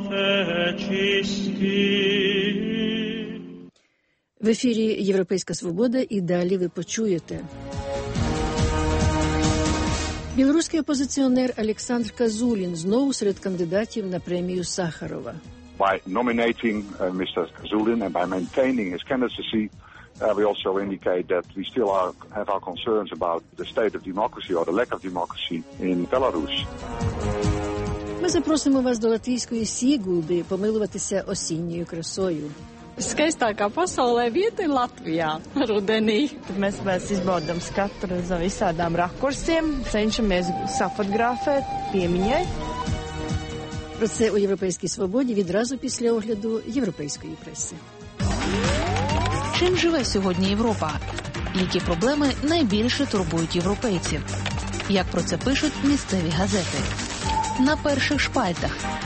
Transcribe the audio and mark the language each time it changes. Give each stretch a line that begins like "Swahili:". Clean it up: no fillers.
Ukrainian: fecisti. В ефірі «Європейська свобода» і далі ви почуєте. Білоруський опозиціонер Олександр Казулін знову серед кандидатів на премію Сахарова.
English: By nominating Mr. Казулін and by maintaining his candidacy, we also indicate that we still have our concerns about the state of democracy or the lack of democracy in Belarus.
Ukrainian: Ми запросимо вас до латвійської Сігулди помилуватися осінньою красою.
Latvian: Skaista kā pasaulē vieta ir Latvijā rudenī. Mēs vēl izbaudām skatu za visādām rakursiem, cenšamies safotografēt piemiņai.
Ukrainian: Про це у Європейській Свободі відразу після огляду європейської преси. Чим живе сьогодні Європа? Які проблеми найбільше турбують європейців? Як про це пишуть місцеві газети? На перших шпальтах.